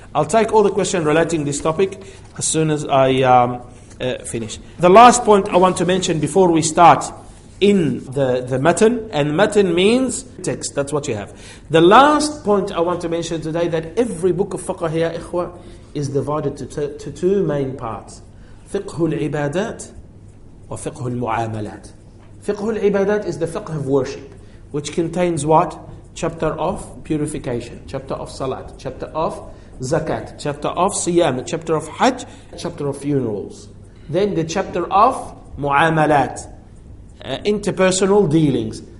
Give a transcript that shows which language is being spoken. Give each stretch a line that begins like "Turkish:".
English: I'll take all the questions relating this topic as soon as I finish. The last point I want to mention before we start in the matan, and matan means text, that's what you have. The last point I want to mention today, that every book of fiqh here, ikhwah, is divided to two main parts.
Arabic: فقه العبادات وفقه المعاملات.
English: فقه العبادات is the fiqh of worship, which contains what? Chapter of purification, chapter of salat, chapter of zakat, chapter of siyam, chapter of hajj, chapter of funerals. Then the chapter of mu'amalat, interpersonal dealings.